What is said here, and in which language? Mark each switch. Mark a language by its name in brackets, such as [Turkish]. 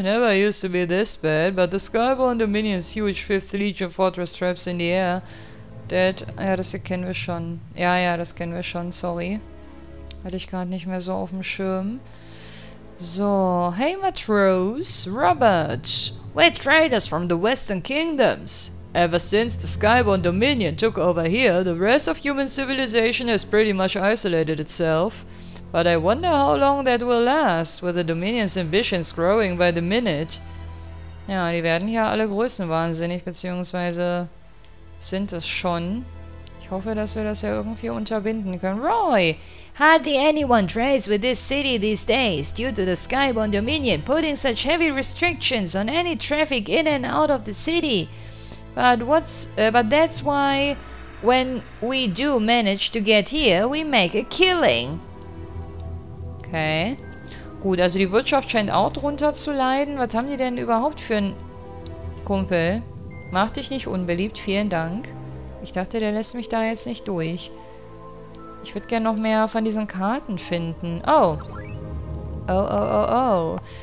[English] Never used to be this bad, but the Skyborn Dominion's huge 5th Legion Fortress traps in the air. [German] Dead. Ja, das hier kennen wir schon. Ja, das kennen wir schon, sorry. Hatte ich gerade nicht mehr so auf dem Schirm. So, hey Matros, [English] Robert. We're traders from the Western Kingdoms. Ever since the Skyborn Dominion took over here, the rest of human civilization has pretty much isolated itself. But I wonder how long that will last, with the Dominion's ambitions growing by the minute. [German] Ja, die werden hier alle größenwahnsinnig, beziehungsweise sind es schon. Ich hoffe, dass wir das ja irgendwie unterbinden können. Roy! [English] Hardly anyone trades with this city these days, due to the Skyborn Dominion putting such heavy restrictions on any traffic in and out of the city. But that's why, when we do manage to get here, we make a killing. Okay. [German] Gut, also die Wirtschaft scheint auch drunter zu leiden. Was haben die denn überhaupt für einen Kumpel? Mach dich nicht unbeliebt, vielen Dank. Ich dachte, der lässt mich da jetzt nicht durch. Ich würde gerne noch mehr von diesen Karten finden. Oh.